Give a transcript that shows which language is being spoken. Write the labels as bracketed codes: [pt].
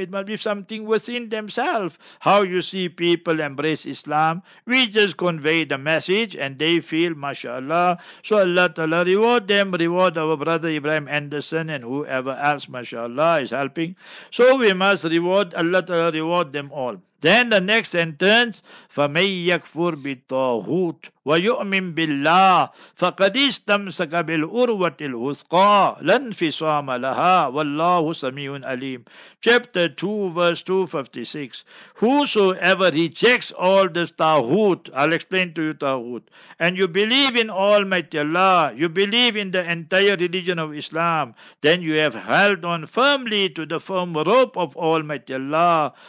[en] It must be something within themselves. How you see people embrace Islam, we just convey the message and they feel, mashallah. So Allah Ta'ala reward them, reward our brother Ibrahim Anderson and whoever else, mashallah, is helping. So we must reward, Allah Ta'ala reward them all. Then the next sentence, [ar] فَمَنْ يَكْفُرْ بِالطَّاغُوتِ وَيُؤْمِنْ بِاللَّهِ فَقَدِ اسْتَمْسَكَ بِالْعُرْوَةِ الْوُثْقَى لَنْ فِصَامَ لَهَا وَاللَّهُ سَمِيعٌ عَلِيمٌ. [en] Chapter 2, verse 256. Whosoever rejects all this tawhut, I'll explain to you tawhut, and you believe in Almighty Allah, you believe in the entire religion of Islam, then you have held on firmly to the firm rope of Almighty Allah.